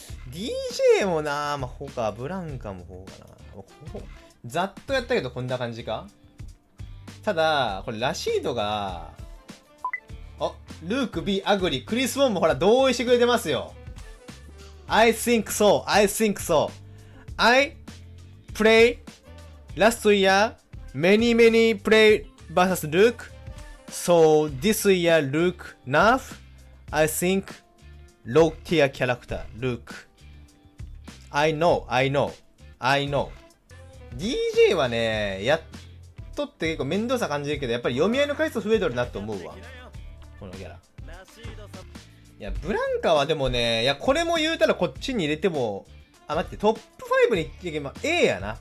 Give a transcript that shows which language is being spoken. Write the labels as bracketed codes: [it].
[ja] DJ もなあ、まあ、ほか、ブランカもほうかな。ざっとやったけど、こんな感じか？ただ、これ、ラシードが、あ、ルーク B アグリ、クリス・ウォンもほら同意してくれてますよ。 [en] I think so, I think so. I play last year many many play versus Luke. So this year Luke nerf. I think [ja] ローティアキャラクター、ルーク。 [en] I know, I know, I know. [ja] DJ はね、やっとって結構面倒さ感じるけど、やっぱり読み合いの回数増えとるなって思うわ。このキャラ。いや、ブランカはでもね、いや、これも言うたらこっちに入れても、あ、待って、トップ5に行けば A やな。